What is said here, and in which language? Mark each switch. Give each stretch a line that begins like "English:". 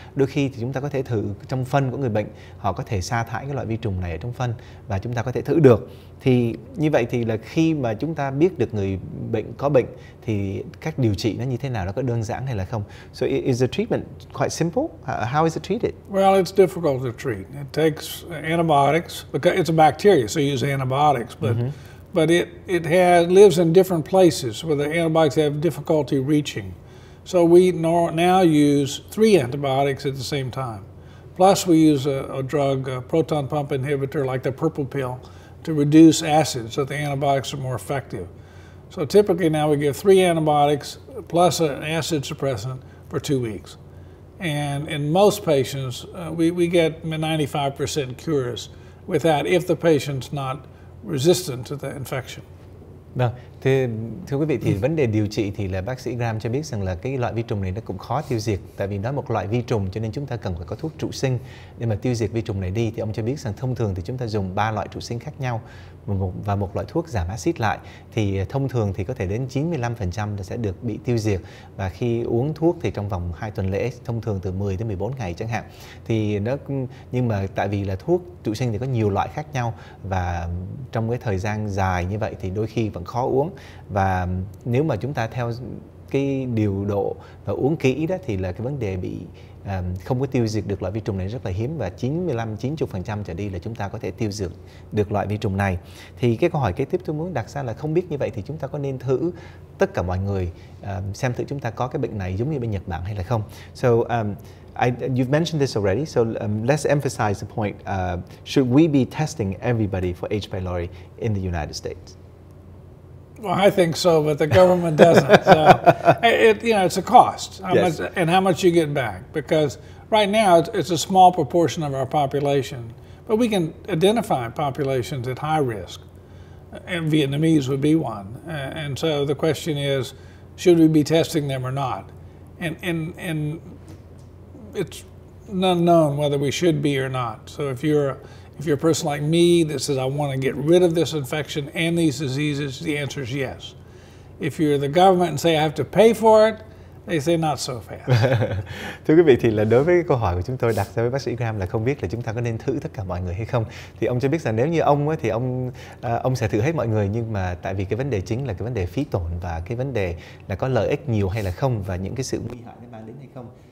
Vietnamese: Đôi khi thì chúng ta có thể thử trong phân của người bệnh, họ có thể sa thải cái loại vi trùng này ở trong phân và chúng ta có thể thử được. Thì như vậy thì là khi mà chúng ta biết được người bệnh có bệnh thì cách điều trị nó như thế nào, nó có đơn giản hay là không?
English: So is the treatment quite simple? How is it treated? Well, it's difficult to treat. It takes antibiotics because it's a bacteria, so you use antibiotics, but it lives in different places where the antibiotics have difficulty reaching. So we now use 3 antibiotics at the same time. Plus we use a drug, a proton pump inhibitor like the purple pill, to reduce acid so the antibiotics are more effective. So typically now we give 3 antibiotics plus an acid suppressant for 2 weeks. And in most patients, we get 95% cures with that if the patient's not resistant to the infection.
Vietnamese: Vâng, thưa quý vị, thì vấn đề điều trị thì là bác sĩ Graham cho biết rằng là cái loại vi trùng này nó cũng khó tiêu diệt, tại vì nó một loại vi trùng cho nên chúng ta cần phải có thuốc trụ sinh để mà tiêu diệt vi trùng này đi. Thì ông cho biết rằng thông thường thì chúng ta dùng 3 loại trụ sinh khác nhau và một loại thuốc giảm axit lại, thì thông thường thì có thể đến 95% là sẽ được bị tiêu diệt, và khi uống thuốc thì trong vòng 2 tuần lễ, thông thường từ 10 đến 14 ngày chẳng hạn. Thì nó, nhưng mà tại vì là thuốc trụ sinh thì có nhiều loại khác nhau và trong cái thời gian dài như vậy thì đôi khi vẫn khó uống, và nếu mà chúng ta theo cái điều độ và uống kỹ đó thì là cái vấn đề bị không có tiêu diệt được loại vi trùng này rất là hiếm, và 95-90% trở đi là chúng ta có thể tiêu diệt được loại vi trùng này. Thì cái câu hỏi kế tiếp tôi muốn đặt ra là không biết như vậy thì chúng ta có nên thử tất cả mọi người xem thử chúng ta có cái bệnh này giống như bên Nhật Bản hay là không.
English: So you've mentioned this already, so let's emphasize the point, should we be testing everybody for H. pylori in the United States? Well, I think so, but the government doesn't. So, it's a cost. How much you get back? Because right now it's a small proportion of our population, but we can identify populations at high risk, and Vietnamese would be one. And so the question is, should we be testing them or not? And it's unknown whether we should be or not. So if you're a person like me that says, I want to get rid of this infection and these diseases, the answer is yes. If you're the government and say, I have to pay for it, they say not so fast.
Vietnamese: Thưa quý vị, thì là đối với cái câu hỏi của chúng tôi đặt ra với bác sĩ Graham là không biết là chúng ta có nên thử tất cả mọi người hay không. Thì ông cho biết rằng nếu như ông ấy, thì ông sẽ thử hết mọi người, nhưng mà tại vì cái vấn đề chính là cái vấn đề phí tổn và cái vấn đề là có lợi ích nhiều hay là không, và những cái sự nguy hại nó mang đến hay không.